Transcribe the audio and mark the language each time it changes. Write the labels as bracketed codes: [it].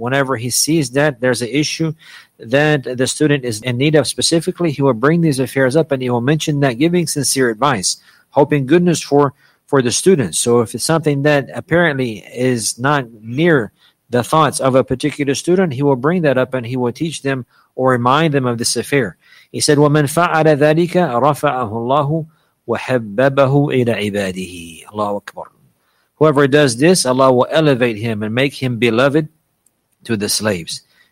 [en] Whenever he sees that there's an issue that the student is in need of specifically, he will bring these affairs up and he will mention that, giving sincere advice, hoping goodness for the student. So if it's something that apparently is not near the thoughts of a particular student, he will bring that up and he will teach them or remind them of this affair. He said, [ar] وَمَنْ فَعَلَ ذَلِكَ رَفَعَهُ اللَّهُ وَحَبَّبَهُ إِلَى عِبَادِهِ. Allahu Akbar. [en] Whoever does this, Allah will elevate him and make him beloved to the slaves.